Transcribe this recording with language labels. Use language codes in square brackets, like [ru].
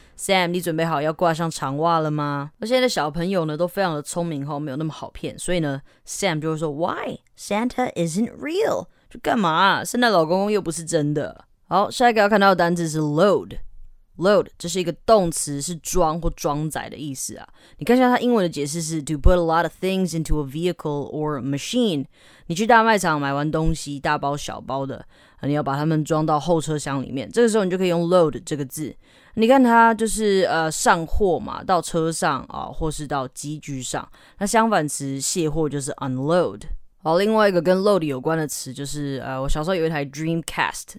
[zh] Sam, 你准备好要挂上长袜了吗？而现在的小朋友呢都非常的聪明，没有那么好骗，所以呢 Sam 就会说 [en] Why? Santa isn't real. [zh] 就干嘛啊，圣诞老公公又不是真的。好，下一个要看到的单字是 load。 Load 这是一个动词，是装或装载的意思啊。你看一下它英文的解释是 [en] to put a lot of things into a vehicle or machine。 [zh] 你去大卖场买完东西，大包小包的，你要把它们装到后车厢里面。这个时候你就可以用 load 这个字。你看它就是上货嘛，到车上啊，或是到机具上。那相反词卸货就是 unload。好，另外一个跟 load 有关的词就是我小时候有一台 Dreamcast。